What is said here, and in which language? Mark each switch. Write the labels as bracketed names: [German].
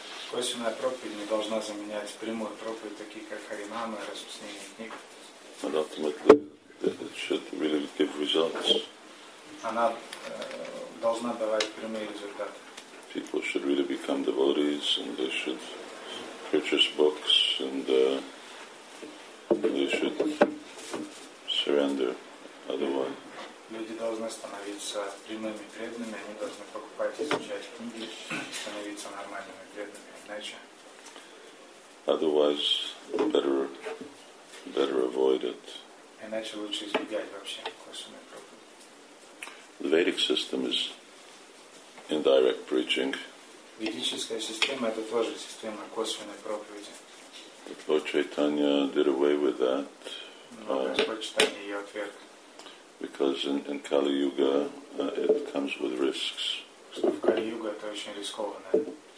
[Russian] Косвенная проповедь не должна заменять прямую проповедь, такие как Харинама и распространение книг. [English] And ultimately, it should really give results. [Russian] Она должна давать прямые результаты. [English] People should really become devotees, and they should purchase books, and they should surrender otherwise. [Russian] Люди должны становиться прямыми преданными, они должны покупать, изучать книги и становиться нормальными преданными, иначе. [English] Otherwise, better avoid it. [Russian] Иначе лучше избегать вообще косвенной проповеди. [English] The Vedic system is indirect preaching. [Russian] Ведическая система это тоже система косвенной проповеди. [English] Lord Chaitanya did away with that. [Russian] Но Господь Чайтанья ее отверг. [English] Because in Kali Yuga it comes with risks. [Russian] В Кали Юга это очень рискованное служение.